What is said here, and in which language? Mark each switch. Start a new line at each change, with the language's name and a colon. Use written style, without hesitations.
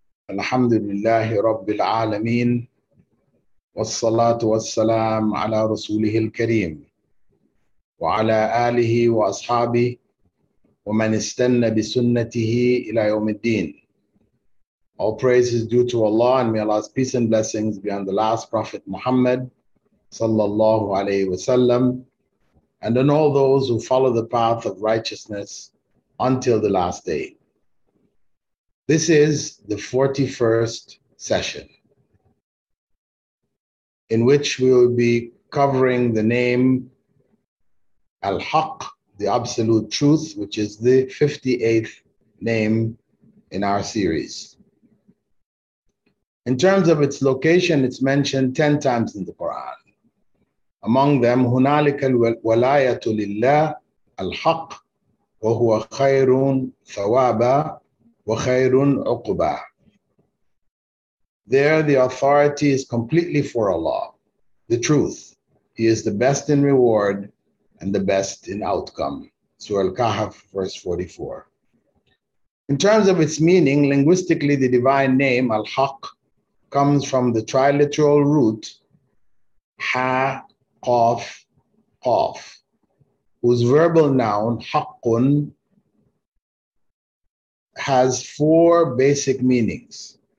Arabic: الحمد لله رب العالمين والصلاة والسلام على رسوله الكريم وعلى آله وأصحابه ومن استنى بسنته إلى يوم الدين.
English: All praise is due to Allah, and may Allah's peace and blessings be on the last Prophet Muhammad
Arabic: صلى الله عليه وسلم
English: and on all those who follow the path of righteousness until the last day. This is the 41st session, in which we will be covering the name Al-Haqq, the absolute truth, which is the 58th name in our series. In terms of its location, it's mentioned 10 times in the Quran. Among them,
Arabic: هُنَالِكَ الْوَلَايَةُ لِلَّهِ الْحَقِّ وَهُوَ خَيْرٌ ثَوَابًا وَخَيْرٌ عُقُبًا.
English: There, the authority is completely for Allah, the truth. He is the best in reward and the best in outcome. Surah Al-Kahf, verse 44. In terms of its meaning, linguistically, the divine name, Al-Haqq, comes from the triliteral root, ha, qaf, qaf, whose verbal noun, haqqun, has four basic meanings.